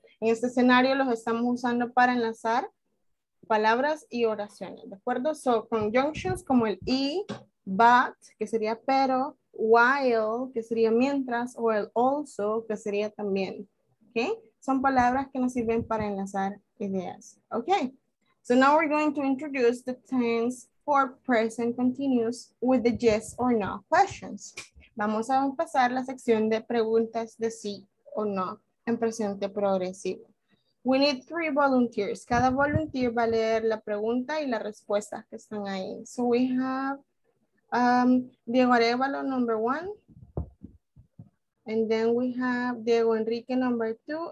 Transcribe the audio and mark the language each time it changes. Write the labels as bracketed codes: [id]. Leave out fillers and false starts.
[es] En este escenario los estamos usando para enlazar palabras y oraciones, ¿de acuerdo? So, conjunctions como el y, but, que sería pero, while, que sería mientras, o el also, que sería también, ¿ok? Son palabras que nos sirven para enlazar ideas, ¿ok? [en] So, now we're going to introduce the tense for present continuous with the yes or no questions. [es] Vamos a pasar la sección de preguntas de sí o no en presente progresivo. [en] We need 3 volunteers. [es] Cada volunteer va a leer la pregunta y la respuesta que están ahí. [en] So we have Diego Arevalo, number 1. And then we have Diego Enrique, number 2.